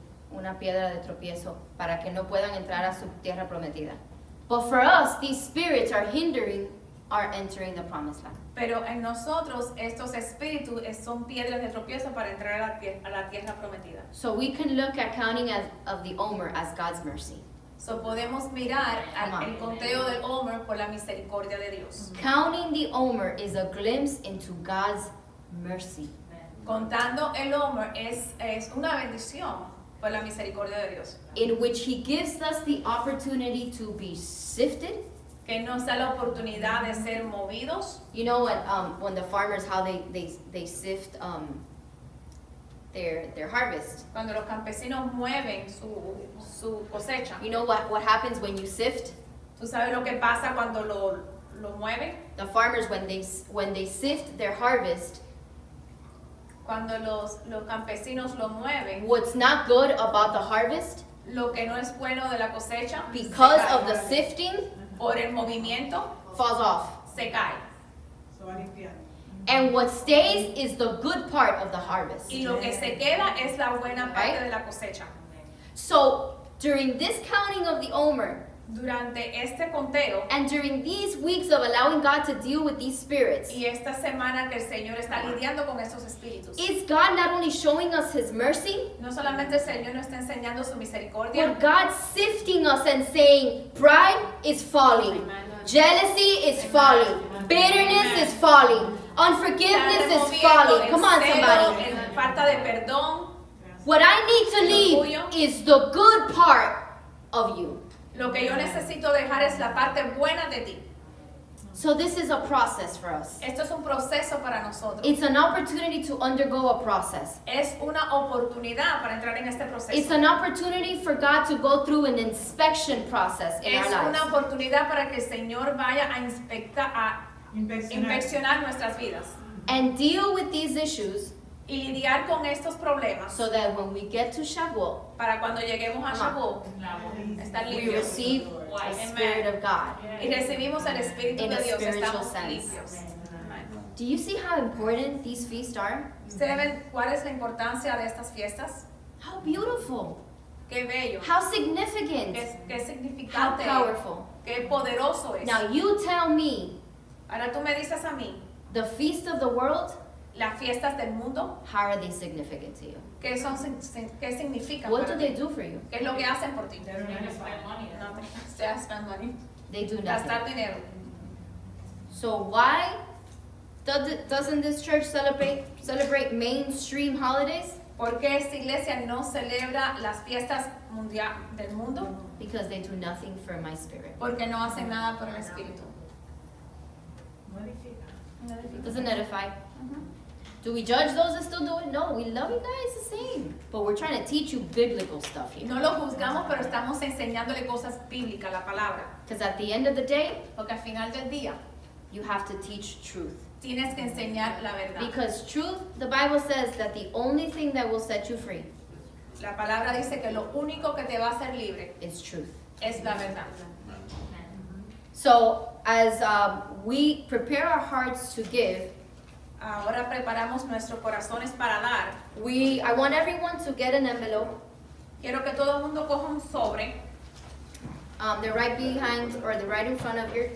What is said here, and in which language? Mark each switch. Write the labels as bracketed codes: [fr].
[es] Una piedra de tropiezo para que no puedan entrar a su tierra prometida. [en] But for us, these spirits are hindering our entering the Promised Land. [es] Pero en nosotros estos espíritus son piedras de tropiezo para entrar a la tierra prometida. [en] So we can look at counting of the Omer as God's mercy. [es] So podemos mirar el conteo del Omer por la misericordia de Dios. [en] Counting the Omer is a glimpse into God's mercy. [es] Contando el Omer es una bendición por la misericordia de Dios. [en] In which he gives us the opportunity to be sifted. [es] Que nos da la oportunidad de ser movidos. [en] You know what, when the farmers, how they sift their harvest. [es] Cuando los campesinos mueven su cosecha. [en] You know what happens when you sift? [es] ¿Tú sabes lo que pasa cuando lo mueven? [en] The farmers, when they sift their harvest, [es] cuando los campesinos lo mueven, [en] what's not good about the harvest, [es] lo que no es bueno de la cosecha, [en] because of the sifting, [es] por el movimiento, [en] falls off, [es] se cae. [en] And what stays is the good part of the harvest. [es] Y lo que se queda es la buena parte, right? De la cosecha. [en] So, during this counting of the Omer, [es] Durante este conteo, [en] and during these weeks of allowing God to deal with these spirits, [es] y esta semana que el Señor está lidiando con estos espíritus, [en] is God not only showing us his mercy, [es] no solamente el Señor nos está enseñando su misericordia, [en] but God sifting us and saying, pride is falling, jealousy is falling, bitterness is falling, unforgiveness is falling. Come on, somebody. [es] Falta de perdón. [en] What I need to leave is the good part of you. [es] Lo que yo necesito dejar es la parte buena de ti. [en] So this is a process for us. [es] Esto es un proceso para nosotros. [en] It's an opportunity to undergo a process. [es] Es una oportunidad para entrar en este proceso. [en] It's an opportunity for God to go through an inspection process in [es] es [en] our lives. [es] Es una oportunidad para que el Señor vaya a inspectar, a inspeccionar nuestras vidas. [en] And deal with these issues. [es] Y lidiar con estos problemas. [en] So that when we get to Shavuot, [es] para cuando lleguemos a Shavuot, estar libres. [en] We receive the Spirit of God. [es] Y recibimos el Espíritu de Dios. [en] In a spiritual sense. Do you see how important these feasts are? [es] ¿Ustedes ven cuál es la importancia de estas fiestas? [en] How beautiful. [es] Qué bello. [en] How significant. [es] Qué significante. [en] How powerful. [es] Qué poderoso es. [en] Now you tell me. [es] Ahora tú me dices a mí. [en] The feast of the world. [es] Las fiestas del mundo. [en] How are they significant to you? [es] ¿Qué son, qué significan? [en] What do they do for you? [es] ¿Qué es lo que hacen por ti? [en] They don't spend money. They don't spend money. They do nothing. [es] Gastar dinero. [en] So why doesn't this church celebrate mainstream holidays? [es] ¿Por qué esta iglesia no celebra las fiestas mundial del mundo? [en] Because they do nothing for my spirit. [es] Porque no hacen nada por mi espíritu. [en] Doesn't edify. Do we judge those that still do it? No, we love you guys the same. But we're trying to teach you biblical stuff here. [es] No lo juzgamos, pero estamos enseñándole cosas bíblicas, la palabra. [en] Because at the end of the day, [es] porque al final del día, [en] you have to teach truth. [es] Tienes que enseñar la verdad. [en] Because truth, the Bible says that the only thing that will set you free. [es] La palabra dice que lo único que te va a hacer libre [en] is truth. [es] Es la verdad. [en] So as we prepare our hearts to give, [es] ahora preparamos nuestros corazones para dar. [en] I want everyone to get an envelope. [es] Quiero que todo el mundo coja un sobre. [en] They're right behind or they're right in front of your